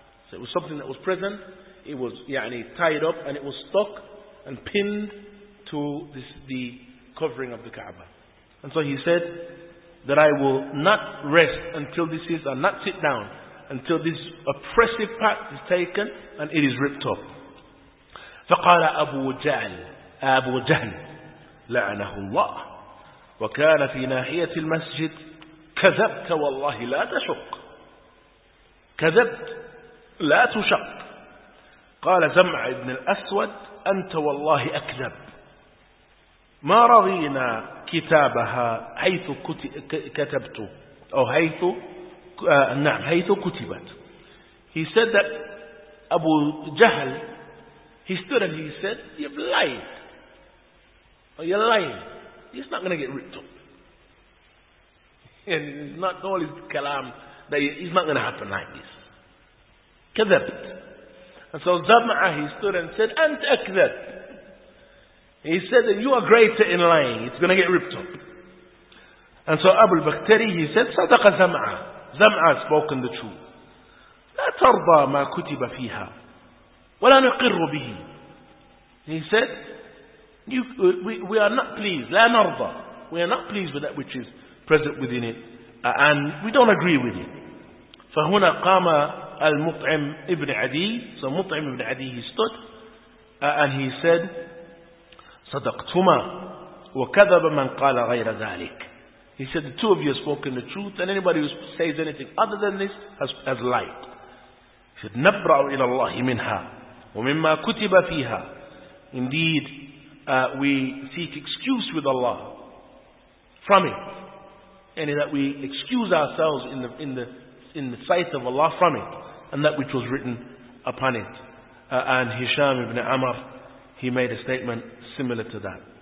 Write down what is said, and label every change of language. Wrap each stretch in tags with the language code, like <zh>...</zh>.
<en>So it was something that was present, it was يعني, tied up, and it was stuck and pinned to the covering of the Kaaba. And so he said that I will not rest until this is, and not sit down until this oppressive pact is taken and it is ripped up.</en> <ar>فقال أبو جهل لعنه الله وكان في ناحية المسجد كذبت والله لا تشق كذبت لا تشق. قال زمع ابن الأسود أنت والله أكذب ما رضينا كتابها حيث كتبت أو حيث نعم حيث كتبت.</ar> <en>He said that Abu Jahl, he stood and he said, you've lied. Oh, you're lying. It's not going to get ripped up. And it's not all his kalam that it's not going to happen like this.</en> <ar>كذبت.</ar> <en>And so Zama'a, he stood and said,</en> <ar>أنت أكذب.</ar> <en>He said that you are greater in lying. It's going to get ripped up. And so Abu al-Bakhtari, he said,</en> <ar>صدق زمعه.</ar> <en>زمعه has spoken the truth.</en> <ar>لا ترضى ما كتب فيها ولا نقر به.</ar> <en>He said, we are not pleased.</en> <ar>لا نرضى.</ar> <en>We are not pleased with that which is present within it. And we don't agree with it.</en> <ar>فهنا قام المطعم ابن عدي.</ar> <en>So المطعم ابن عدي, he stood. And he said,</en> <ar>صدقتما وكذب من قال غير ذلك.</ar> <en>He said, the two of you have spoken the truth, and anybody who says anything other than this has lied. He said,</en> <ar>نبرأ إلى الله منها ومما كتب فيها.</ar> <en>Indeed, we seek excuse with Allah from it, and that we excuse ourselves in the sight of Allah from it, and that which was written upon it. And Hisham ibn Amr, he made a statement similar to that.</en>